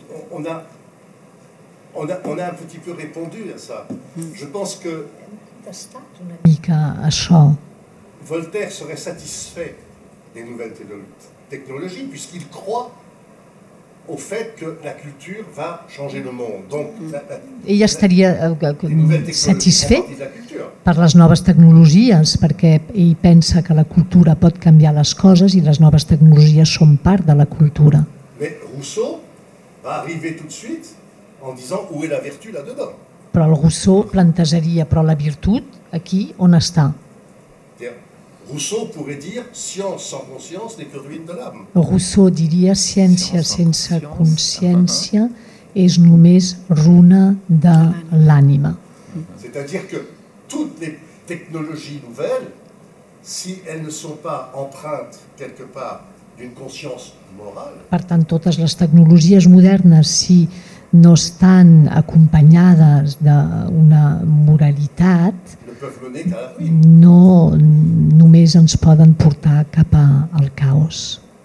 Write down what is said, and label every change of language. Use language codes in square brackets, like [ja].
[fr] On a un petit peu répondu à ça. Je pense que [ca] una mica això. [fr] Voltaire serait satisfait des nouvelles technologies puisqu'il croit au fait que la culture va changer le monde. Donc [ca] ell estaria satisfet per les noves tecnologies, perquè ell pensa que la cultura pot canviar les coses i les noves tecnologies són part de la cultura. [fr] Mais Rousseau va arriver tout de suite en disant où est la vertu là-dedans. [ca] Però el Rousseau plantejaria, però la virtut aquí on està? [fr] Rousseau pourrait dire science sans conscience n'est que ruine de l'âme. [ca] Rousseau diria ciència sense consciència és només runa de l'ànima. [fr] C'est-à-dire que toutes les technologies nouvelles, si elles ne sont pas empreintes quelque part d'une conscience morale. [ca] Per tant, totes les tecnologies modernes, si no estan acompanyades d'una moralitat, no només ens poden portar cap al caos.